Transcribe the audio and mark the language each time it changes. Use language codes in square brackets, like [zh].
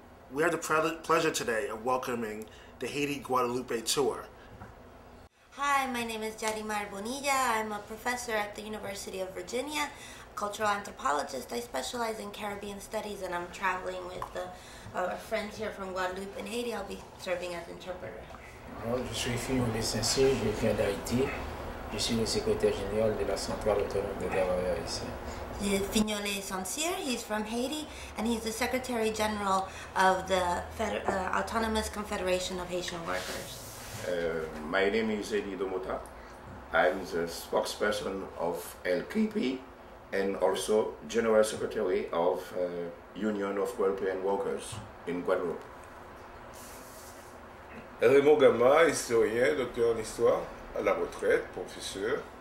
[en] We have the pleasure today of welcoming the Haiti Guadeloupe tour. Hi, my name is Yarima Bonilla. I'm a professor at the University of Virginia, a cultural anthropologist. I specialize in Caribbean studies, and I'm traveling with a friend here from Guadeloupe in Haiti. I'll be serving as interpreter. [fr] Je suis FIgnole Saint-Cyr, je viens d'Haïti. Je suis le secrétaire général de la centrale autonome des travailleurs ici. [en] FIgnole Saint-Cyr, he's from Haiti, and he's the Secretary General of the Autonomous Confederation of Haitian Workers. My name is Elie Domota. I'm the spokesperson of LKP and also General Secretary of Union of Guadeloupean Workers in Guadeloupe. [fr] Raymond Gama, historien, docteur en histoire, à la retraite, professeur.